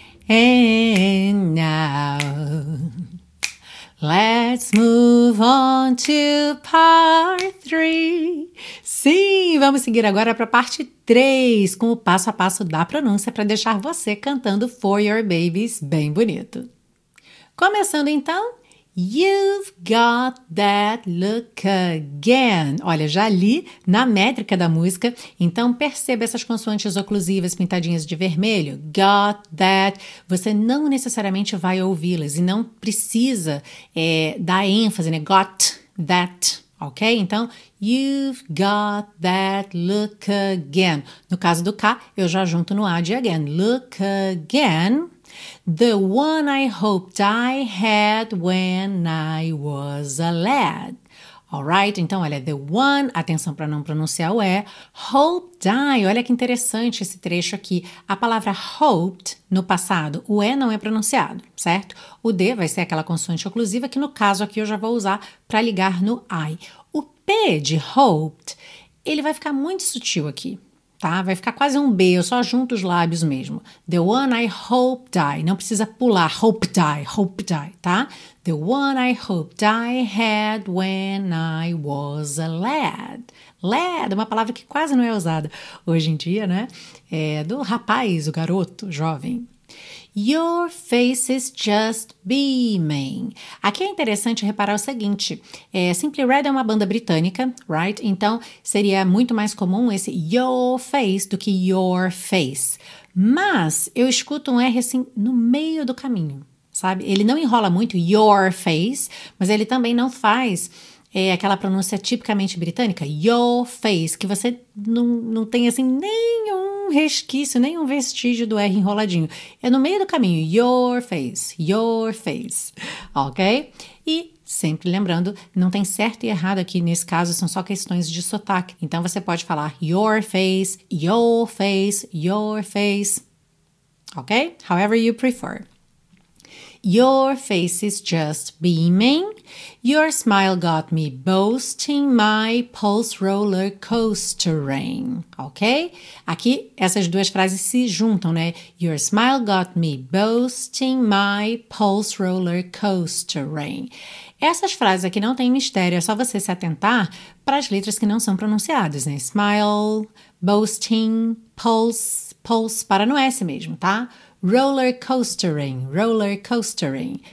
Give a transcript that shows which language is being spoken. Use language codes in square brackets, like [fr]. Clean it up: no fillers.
[en] And now, let's move on to part 3. [pt] Sim, vamos seguir agora para a parte 3, com o passo a passo da pronúncia para deixar você cantando For Your Babies bem bonito. Começando então, [en] you've got that look again. [pt] Olha, já li na métrica da música, então perceba essas consoantes oclusivas pintadinhas de vermelho. [en] Got that. [pt] Você não necessariamente vai ouvi-las e não precisa dar ênfase, né? [en] Got that. Ok? [pt] Então, [en] you've got that look again. [pt] No caso do K, eu já junto no A de again. [en] Look again. The one I hoped I had when I was a lad. Alright, [pt] então olha, [en] the one, [pt] atenção para não pronunciar o E, [en] hoped I, [pt] olha que interessante esse trecho aqui. A palavra hoped, no passado, o E não é pronunciado, certo? O D vai ser aquela consoante oclusiva que no caso aqui eu já vou usar para ligar no I. O P de hoped, ele vai ficar muito sutil aqui. Tá? Vai ficar quase um B, eu só junto os lábios mesmo. [en] The one I hoped I, [pt] não precisa pular, [en] hoped I, [pt] tá? [en] The one I hoped I had when I was a lad. [pt] Lad, uma palavra que quase não é usada hoje em dia, né? É do rapaz, o garoto, jovem. [en] Your face is just beaming. [pt] Aqui é interessante reparar o seguinte. Simply Red é uma banda britânica, [en] right? [pt] Então, seria muito mais comum esse [en] your face [pt] do que your face. Mas, eu escuto um R assim no meio do caminho. sabe? Ele não enrola muito [en] your face, [pt] mas ele também não faz aquela pronúncia tipicamente britânica, your face, que você não tem assim nenhum resquício, nenhum vestígio do R enroladinho. É no meio do caminho, [en] your face, [pt] ok? E sempre lembrando, não tem certo e errado aqui nesse caso, são só questões de sotaque. Então você pode falar [en] your face, your face, your face, ok? However you prefer. Your face is just beaming. Your smile got me boasting my pulse roller coastering. Ok? [pt] Aqui, essas duas frases se juntam, né? [en] Your smile got me boasting my pulse roller coastering. [pt] Essas frases aqui não tem mistério. É só você se atentar para as letras que não são pronunciadas, né? [en] Smile, boasting, pulse, pulse. [pt] Para no S mesmo, tá? [en] Roller coastering, roller coastering.